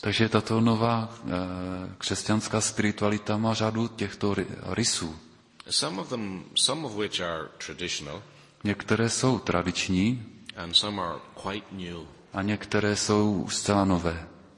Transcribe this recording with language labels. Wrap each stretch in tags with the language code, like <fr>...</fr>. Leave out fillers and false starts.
<cs>Takže tato nová křesťanská spiritualita má řadu těchto rysů.</cs> <en>Some of which are traditional.</en> <cs>Některé jsou tradiční.</cs> <en>And some are quite new.</en> <cs>A některé jsou zcela nové.</cs>